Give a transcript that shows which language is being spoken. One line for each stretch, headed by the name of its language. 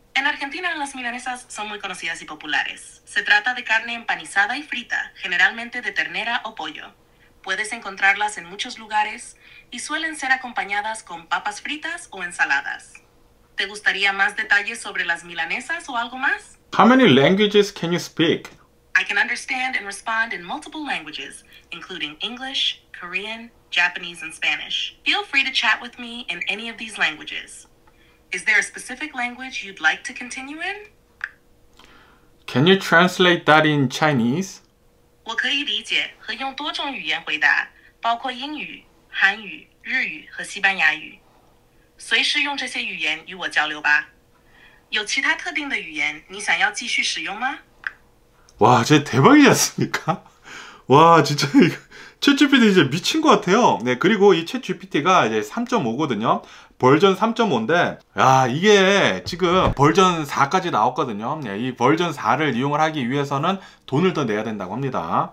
Spanish: En Argentina las milanesas son muy conocidas y populares. Se trata de carne empanizada y frita, generalmente de ternera o pollo. Puedes encontrarlas en muchos lugares y suelen ser acompañadas con papas fritas o ensaladas. ¿Te gustaría más detalles sobre las milanesas o algo más?
English: How many languages can you speak? I can understand and respond in multiple languages, including English, Korean, Japanese, and Spanish. Feel free to chat with me in any of these languages. Is there a specific language you'd like to continue in? Can you translate that in Chinese?
Chinese: 我可以理解和用多种语言回答, 包括英语、韩语、日语和西班牙语。随时用这些语言与我交流吧。有其他特定的语言你想要继续使用吗?
Korean: 와, 쟤 대박이지 않습니까? 와, 진짜 이거 ChatGPT 이제 미친 것 같아요. 네, 그리고 이 ChatGPT가 이제 3.5거든요. 버전 3.5인데, 야, 이게 지금 버전 4까지 나왔거든요. 네, 이 버전 4를 이용을 하기 위해서는 돈을 더 내야 된다고 합니다.